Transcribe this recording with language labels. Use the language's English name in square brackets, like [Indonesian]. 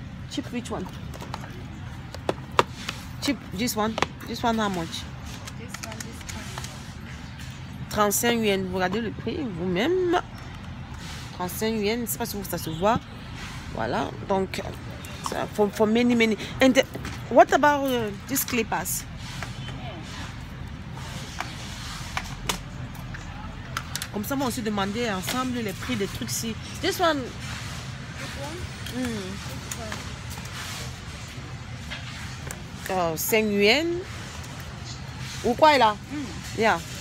[English] Cheap, which one? Cheap, this one. This one, how much? This one. 35 yens. [French] Vous regardez le prix vous-même. 35 yens, je ne sais pas si ça se voit. Voilà, donc, ça, [English] for many, many. And what about these clippers? [French] Comme ça, on va aussi demander ensemble les prix des trucs. [English] Si. This one. This one? [French] Mm. 5 yuans. Ou quoi, là? Mm. [English] Yeah.